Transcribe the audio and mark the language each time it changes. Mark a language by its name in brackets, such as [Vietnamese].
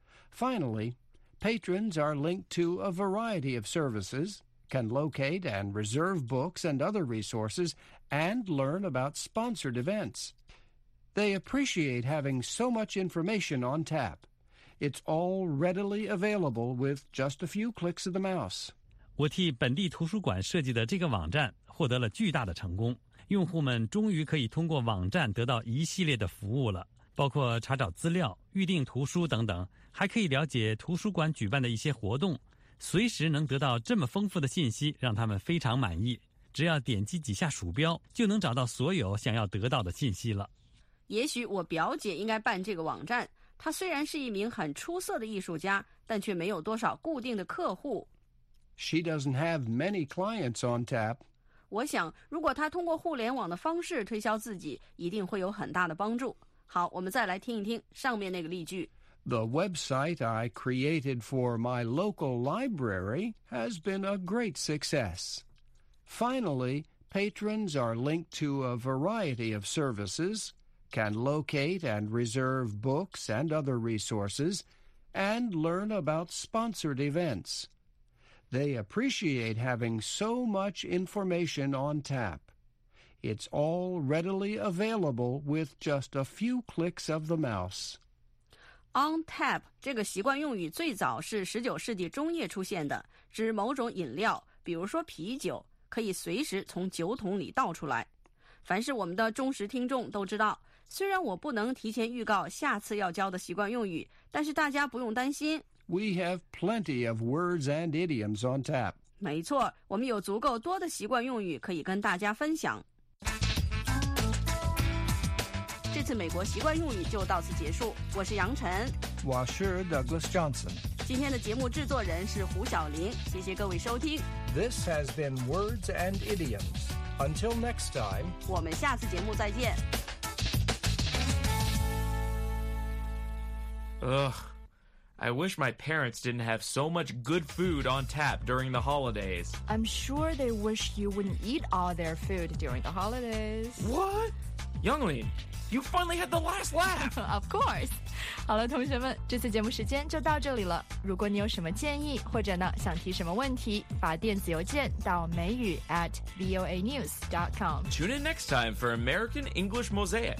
[English] Finally, patrons are linked to a variety of services, can locate and reserve books and other resources, and learn about sponsored events. They appreciate having so much information on tap. It's all readily available with just a few clicks of the mouse. [Chinese] 我替本地图书馆设计的这个网站获得了巨大的成功。用户们终于可以通过网站得到一系列的服务了，包括查找资料、预订图书等等，还可以了解图书馆举办的一些活动，随时能得到这么丰富的信息，让他们非常满意。只要点击几下鼠标，就能找到所有想要得到的信息了。也许我表姐应该办这个网站，她虽然是一名很出色的艺术家，但却没有多少固定的客户。 [English] She doesn't have many clients on tap. [Chinese] 我想，如果她通过互联网的方式推销自己，一定会有很大的帮助。好，我们再来听一听上面那个例句。 [English] The website I created for my local library has been a great success. Finally, patrons are linked to a variety of services. Can locate and reserve books and other resources, and learn about sponsored events. They appreciate having so much information on tap. It's all readily available with just a few clicks of the mouse. [Chinese] On tap 这个习惯用语最早是19世纪中叶出现的，指某种饮料，比如说啤酒，可以随时从酒桶里倒出来。凡是我们的忠实听众都知道。虽然我不能提前预告下次要教的习惯用语，但是大家不用担心。 [English] We have plenty of words and idioms on tap. [Chinese] 没错，我们有足够多的习惯用语可以跟大家分享。这次美国习惯用语就到此结束。我是杨晨，我是 Douglas Johnson。今天的节目制作人是胡晓玲，谢谢各位收听。 [English] This has been Words and Idioms. Until next time. [Chinese] 我们下次节目再见。 [English] Ugh, I wish my parents didn't have so much good food on tap during the holidays. I'm sure they wish you wouldn't eat all their food during the holidays. What? Younglin, you finally had the last laugh! Of course! [Chinese] 好了，同学们，这次节目时间就到这里了。如果你有什么建议，或者呢，想提什么问题，发电子邮件到美语@voanews.com. [English] Tune in next time for American English Mosaic.